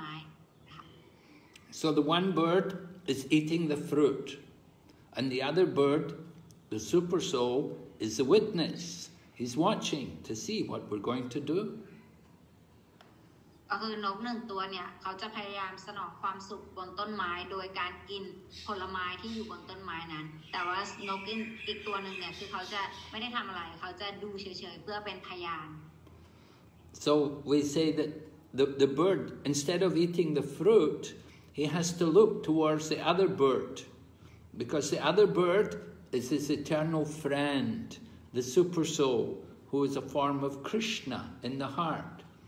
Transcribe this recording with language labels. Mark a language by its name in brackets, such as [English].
[English] So the one bird is eating the fruit and the other birdThe super soul is the witness. He's watching to see what we're going to do. [Thai] ก็คือนกหนึ่งตัวเนี่ยเขาจะพยายามสนองความสุขบนต้นไม้โดยการกินผลไม้ที่อยู่บนต้นไม้นั้นแต่ว่านกอีกตัวหนึ่งเนี่ยคือเขาจะไม่ได้ทำอะไรเขาจะดูเฉยๆเพื่อเป็นพยาน [English] So we say that the bird instead of eating the fruit, he has to look towards the other bird, because the other birdIs his eternal friend, the super soul, who is a form of Krishna in the heart.